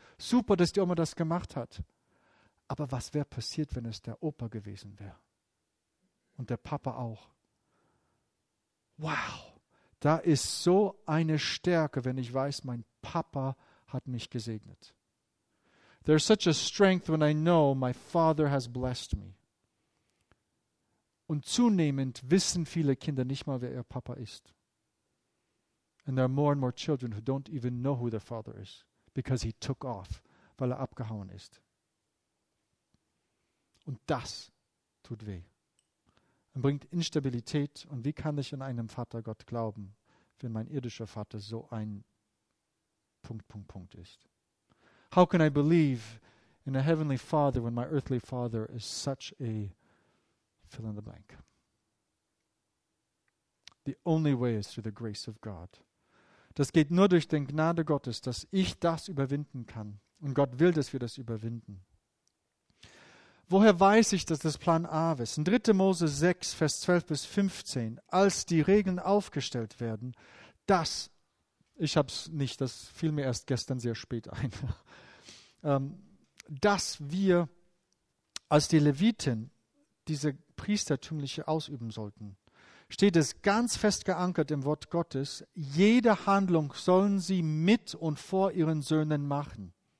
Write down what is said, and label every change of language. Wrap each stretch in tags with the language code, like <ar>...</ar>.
<de>Super, dass die Oma das gemacht hat. Aber was wäre passiert, wenn es der Opa gewesen wäre? Und der Papa auch. Wow, da ist so eine Stärke, wenn ich weiß, mein Papa hat mich gesegnet.</de> <en>There's such a strength when I know my father has blessed me.</en> <de>Und zunehmend wissen viele Kinder nicht mal, wer ihr Papa ist.</de> <en>And there are more and more children who don't even know who their father is, because he took off,</en> <de>weil er abgehauen ist. Und das tut weh und bringt Instabilität. Und wie kann ich an einem Vater Gott glauben, wenn mein irdischer Vater so ein Punkt, Punkt, Punkt ist?</de> <en>How can I believe in a heavenly father when my earthly father is such a fill in the blank? The only way is through the grace of God.</en> <de>Das geht nur durch den Gnade Gottes, dass ich das überwinden kann. Und Gott will, dass wir das überwinden. Woher weiß ich, dass das Plan A ist? In 3. Mose 6, Vers 12 bis 15, als die Regeln aufgestellt werden, das, ich habe es nicht, das fiel mir erst gestern sehr spät ein, dass wir als die Leviten diese priestertümliche ausüben sollten, steht es ganz fest geankert im Wort Gottes, jede Handlung sollen sie mit und vor ihren Söhnen machen.</de>